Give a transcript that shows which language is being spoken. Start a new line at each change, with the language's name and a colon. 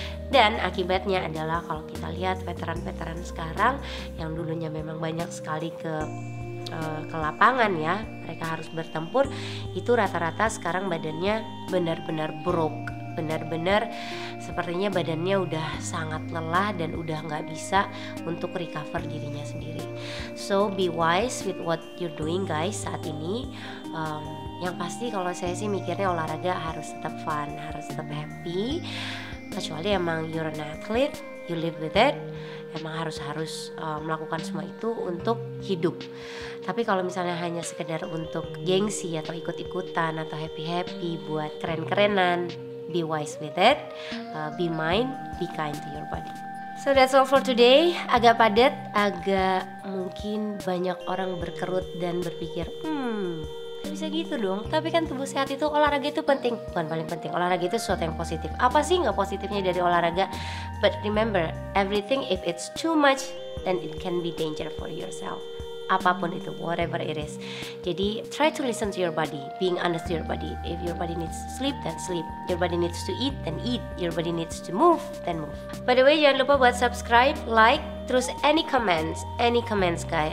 Indonesian: Dan akibatnya adalah kalau kita lihat veteran-veteran sekarang yang dulunya memang banyak sekali ke lapangan ya, mereka harus bertempur, itu rata-rata sekarang badannya benar-benar broke, benar-benar sepertinya badannya udah sangat lelah dan udah gak bisa untuk recover dirinya sendiri.
English: So be wise with what you're doing guys
Indonesian: saat ini. Yang pasti kalau saya sih mikirnya olahraga harus tetap fun, harus tetap happy. Kecuali emang
English: you're an athlete, you live with it,
Indonesian: emang harus-harus melakukan semua itu untuk hidup. Tapi kalau misalnya hanya sekedar untuk gengsi atau ikut-ikutan atau happy-happy buat keren-kerenan,
English: be wise with it, be mind, be kind to your body. So that's all for today.
Indonesian: Agak padat, agak mungkin banyak orang berkerut dan berpikir, bisa gitu dong. Tapi kan tubuh sehat itu, olahraga itu penting. Bukan paling penting, olahraga itu sesuatu yang positif. Apa sih gak positifnya dari olahraga?
English: But remember, everything if it's too much, then it can be danger for yourself.
Indonesian: Apapun itu,
English: whatever it is.
Indonesian: Jadi,
English: try to listen to your body, being honest to your body. If your body needs to sleep, then sleep. Your body needs to eat, then eat. Your body needs to move, then move. By the way,
Indonesian: jangan lupa buat
English: subscribe, like,
Indonesian: terus
English: any comments, guys.